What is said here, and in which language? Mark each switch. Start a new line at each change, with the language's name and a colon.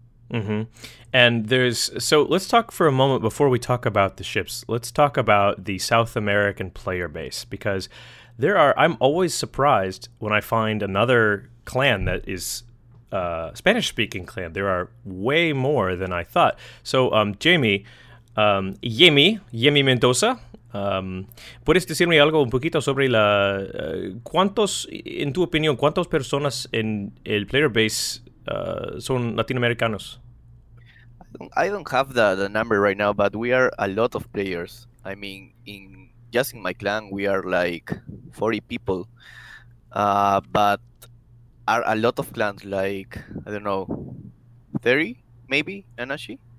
English: Mm-hmm. And let's talk for a moment before we talk about the ships. Let's talk about the South American player base, because I'm always surprised when I find another clan that is a Spanish speaking clan. There are way more than I thought.
Spanish: So, Jamie Mendoza, ¿puedes decirme algo un poquito sobre la cuántos, en tu opinión, cuántas personas en el player base son latinoamericanos?
English: I don't have the number right now, but we are a lot of players. I mean, in my clan, we are like 40 people, but are a lot of clans, like, I don't know, 30 maybe, Anashi?